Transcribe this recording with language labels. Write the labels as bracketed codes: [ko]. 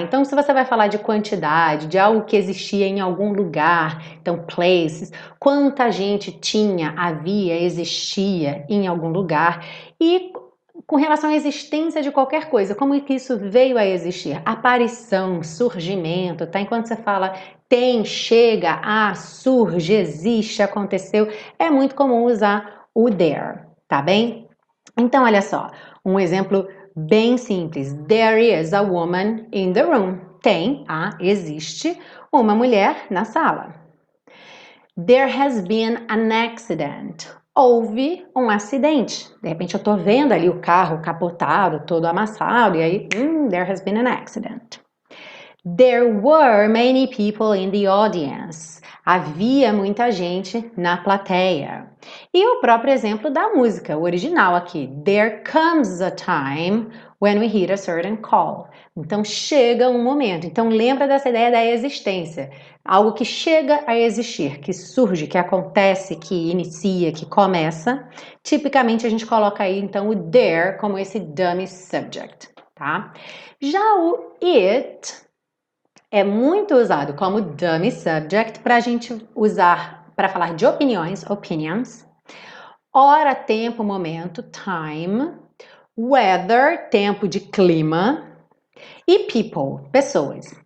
[pt] Então, se você vai falar de quantidade, de algo que existia em algum lugar, então places, quanta gente tinha, havia, existia em algum lugar, e com relação à existência de qualquer coisa, como é que isso veio a existir? Aparição, surgimento, tá? Enquanto você fala tem, chega, a, surge, existe, aconteceu, é muito comum usar o there, tá bem? Então, olha só, um exemplo bem simples. [en] There is a woman in the room. [pt] Tem, há, existe uma mulher na sala. [en] There has been an accident. [pt] Houve um acidente. De repente eu tô vendo ali o carro capotado, todo amassado, e aí, [en] there has been an accident. There were many people in the audience. [pt] Havia muita gente na plateia. E o próprio exemplo da música, o original aqui. [en] There comes a time when we hit a certain call. [pt] Então chega um momento. Então lembra dessa ideia da existência. Algo que chega a existir, que surge, que acontece, que inicia, que começa. Tipicamente a gente coloca aí então o there como esse dummy subject, tá? Já o it é muito usado como dummy subject para a gente usar para falar de opiniões, opinions, hora, tempo, momento, time, weather, tempo de clima, e people, pessoas.